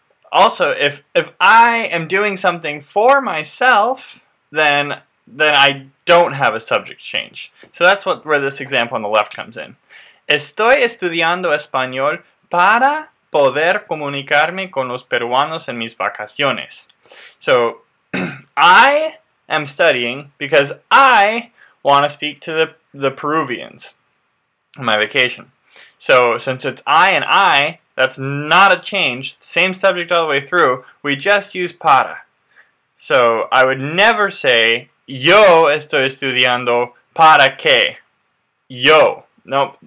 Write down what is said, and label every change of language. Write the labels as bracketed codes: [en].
[en] Also, if I am doing something for myself, then I don't have a subject change. So that's where this example on the left comes in. [es] Estoy estudiando español para poder comunicarme con los peruanos en mis vacaciones. [en] So, I am studying because I want to speak to the Peruvians on my vacation. So, since it's I and I, that's not a change. Same subject all the way through. We just use para. So, I would never say, [es] yo estoy estudiando para qué. [en] Yo. Nope.